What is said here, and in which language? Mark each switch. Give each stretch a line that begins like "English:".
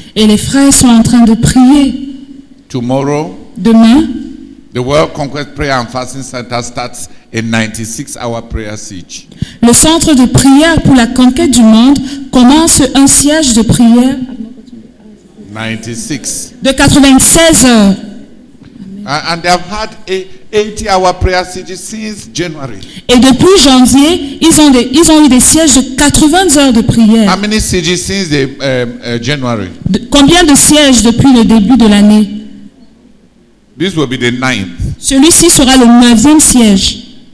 French: Et les frères sont en train de prier.
English: Tomorrow,
French: demain,
English: the World Conquest Prayer and Fasting Center starts a 96-hour prayer siege.
French: Le centre de prière pour la conquête du monde commence un siège de prière. 96. De 96 heures.
English: And they have had a 80-hour prayer siege since January.
French: Et depuis janvier, ils ont eu des sièges de 80 heures de prière.
English: How many sièges since the January?
French: Combien de sièges depuis le début de l'année?
English: This will be the ninth.
French: Celui-ci sera le neuvième siège.